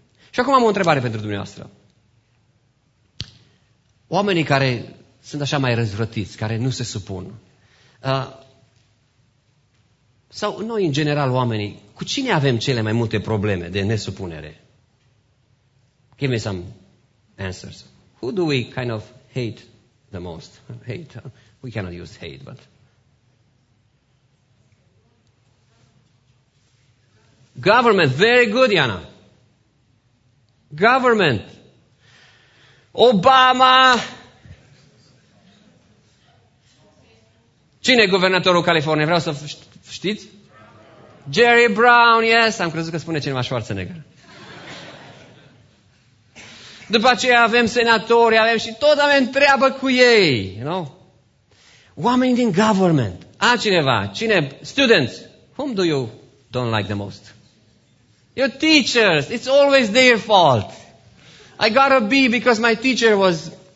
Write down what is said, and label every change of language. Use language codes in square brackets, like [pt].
[ro] Și acum am o întrebare pentru dumneavoastră. Oamenii care sunt așa mai răzvrătiți, care nu se supun, sau noi în general oamenii, cu cine avem cele mai multe probleme de nesupunere? [en] Give me some answers. Who do we kind of hate the most? Hate, We cannot use hate, but government, very good, Yana. Government. Obama. [ro] Cine e guvernatorul Californiei? Vreau să știți. Jerry Brown, [en] yes. [ro] Am crezut că spune cineva Schwarzenegger. După aceea avem senatori, avem și tot avem treabă cu ei. [en] You know? [ro] Oamenii din government. Altcineva. Cine? [en] Students. Whom do you don't like the most? Your teachers. It's always their fault. I got a B because my teacher was...